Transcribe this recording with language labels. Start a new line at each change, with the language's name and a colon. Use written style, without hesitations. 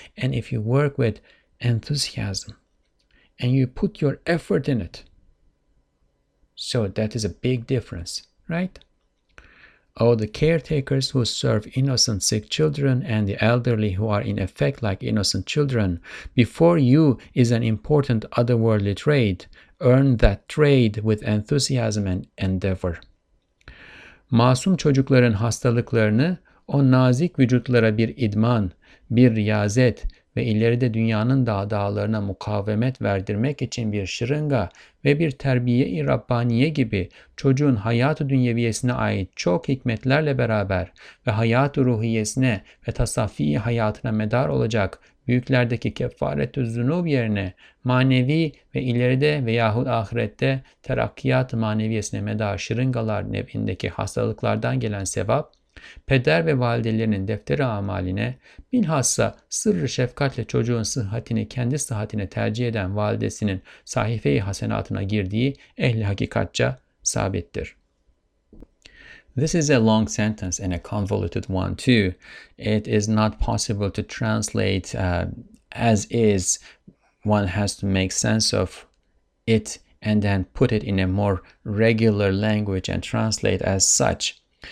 English: And if you work with enthusiasm and you put your effort in it, so that is a big difference, right? Oh, the caretakers who serve innocent sick children and the elderly who are in effect like innocent children, before you is an important otherworldly trade. Earn that trade with enthusiasm and endeavor.
Turkish: Masum çocukların hastalıklarını o nazik vücutlara bir idman, bir riyazet ve ileride dünyanın dağlarına mukavemet verdirmek için bir şırınga ve bir terbiye-i Rabbaniye gibi çocuğun hayat-ı dünyeviyesine ait çok hikmetlerle beraber ve hayat-ı ruhiyesine ve tasaffi hayatına medar olacak büyüklerdeki kefaret-ü zunub yerine manevi ve ileride veyahut ahirette terakkiyat-ı maneviyesine medar şırıngalar nevindeki hastalıklardan gelen sevap, peder ve validelerinin defteri amaline, bilhassa sırrı şefkatle çocuğun sıhhatini kendi sıhhatine tercih eden validesinin sahife-i hasenatına girdiği ehli hakikatça sabittir.
English: This is a long sentence and a convoluted one too. It is not possible to translate as is. One has to make sense of it and then put it in a more regular language and translate as such.